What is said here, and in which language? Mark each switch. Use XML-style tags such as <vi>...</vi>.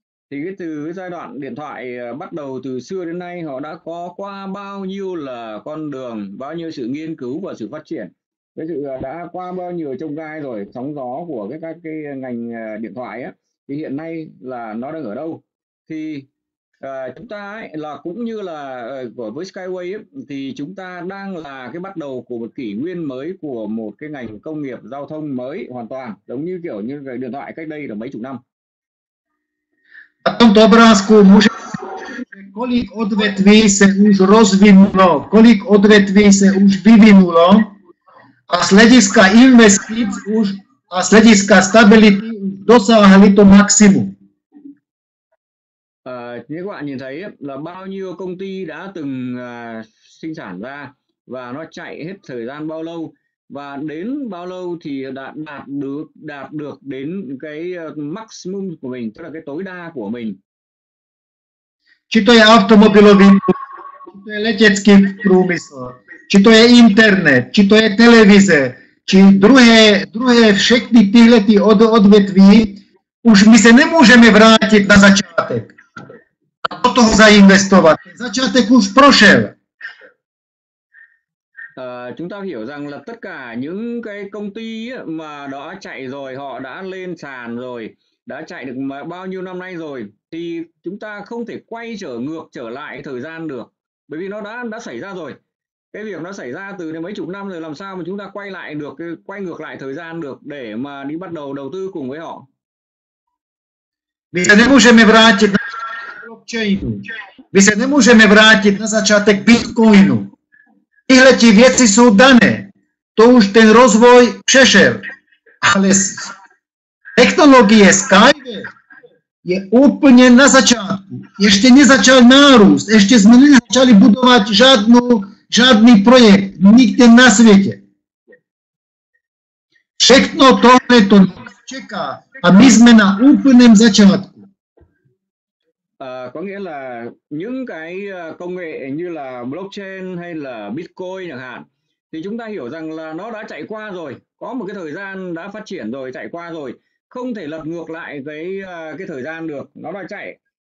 <vi>Thì cái từ cái giai đoạn điện thoại bắt đầu từ xưa đến nay họ đã có qua bao nhiêu là con đường, bao nhiêu sự nghiên cứu và sự phát triển, cái sự đã qua bao nhiêu chông gai rồi, sóng gió của các cái ngành điện thoại á, thì hiện nay là nó đang ở đâu? Thì chúng ta ấy, là cũng như là với Skyway ấy, thì chúng ta đang là cái bắt đầu của một kỷ nguyên mới của một cái ngành công nghiệp giao thông mới hoàn toàn, giống như kiểu như cái điện thoại cách đây là mấy chục năm.</vi> <cs>V tomto obrázku můžeme vidět, kolik odvětví se už rozvinulo, kolik odvětví se už vyvinulo a z hlediska investic už a z hlediska stability dosáhli to maximum.</cs> <vi>Như các bạn nhìn thấy ấy, là bao nhiêu công ty đã từng sinh sản ra và nó chạy hết thời gian bao lâu và đến bao lâu thì đã đạt được đến cái maximum của mình, tức là cái tối đa của mình.</vi> <cs>Či to je automobilový, či to je letecký průmysl, či to je internet, či to je televize, či druhé všechny tyhle ty odvětví, už my se nemůžeme vrátit na začátek. Do toho zainvestovat. Začátek už prošel.</cs> <vi>Chúng ta hiểu rằng là tất cả những cái công ty mà đã chạy rồi, họ đã lên sàn rồi, đã chạy được bao nhiêu năm nay rồi, thì chúng ta không thể quay trở ngược trở lại thời gian được, bởi vì nó đã xảy ra rồi. Cái việc nó xảy ra từ mấy chục năm rồi, làm sao mà chúng ta quay lại được, quay ngược lại thời gian được để mà đi bắt đầu đầu tư cùng với họ? Vì nếu mà</vi> <cs>vrátit na blockchainu. My se nemůžeme vrátit na začátek Bitcoinu. Tyhle ti věci jsou dané. To už ten rozvoj přešel. Ale technologie Skyway je úplně na začátku. Ještě nezačal nárůst. Ještě jsme nezačali budovat žádný projekt. Nikde na světě. Všechno tohle to čeká. A my jsme na úplném začátku.</cs> <vi>Có nghĩa là những cái công nghệ như là blockchain hay là Bitcoin chẳng hạn, thì chúng ta hiểu rằng là nó đã chạy qua rồi, có một cái thời gian đã phát triển rồi, chạy qua rồi, không thể lật ngược lại cái thời gian được, nó đã chạy.</vi>